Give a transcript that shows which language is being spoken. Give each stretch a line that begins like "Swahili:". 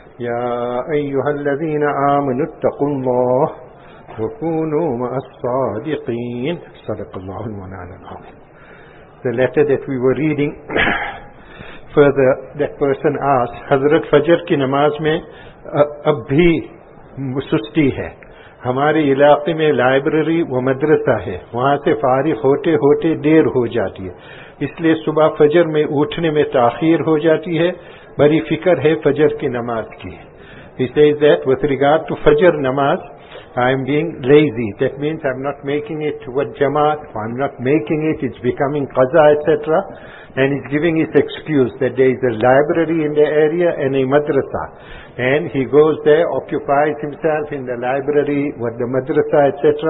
Arabic: يا أيها الذين آمنوا اتقوا الله وكونوا مع الصادقين صدق الله المعنى العظيم.
English: The letter that we were reading further, that person asked,
Urdu: حضرت فجر کی نماز میں اب بھی سستی ہے, ہمارے علاقے میں لائبریری و مدرسہ ہے, وہاں سے فارغ ہوتے ہوتے دیر ہو جاتی ہے, اس لئے صبح فجر میں اٹھنے میں تاخیر ہو جاتی ہے, بڑی فکر ہے فجر کی نماز کی.
English: He says that with regard to Fajr namaz, I am being lazy. That means I'm not making it with Jamaat, I'm not making it, it's becoming Qaza, etc. And he's giving his excuse that there is a library in the area and a madrasa. And he goes there, occupies himself in the library with the madrasa, etc.